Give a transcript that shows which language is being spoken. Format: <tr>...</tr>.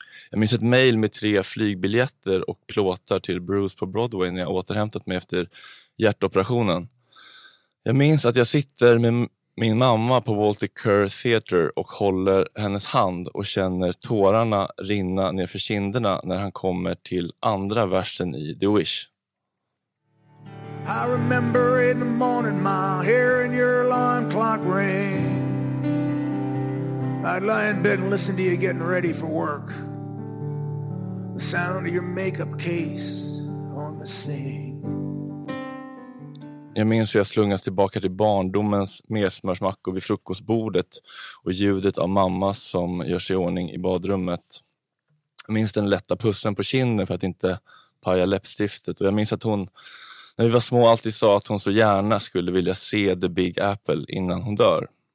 <sv>Jag minns ett mejl med 3 flygbiljetter och plåtar till Bruce på Broadway när jag återhämtat mig efter hjärtoperationen. Jag minns att jag sitter med min mamma på Walter Kerr Theater och håller hennes hand och känner tårarna rinna ner för kinderna när han kommer till andra versen i The Wish.</sv> <en>I remember in the morning my hair and your alarm clock ring. I'd lie in bed and listen to you getting ready for work. The sound of your makeup case on the sink.</en> <sv>Jag minns hur jag slungas tillbaka till barndomens mesmörsmackor vid frukostbordet och ljudet av mamma som gör sig i ordning i badrummet. Jag minns den lätta pussen på kinden för att inte paja läppstiftet. Och jag minns att hon, när vi var små, alltid sa att hon så gärna skulle vilja se The Big Apple innan hon dör.</sv>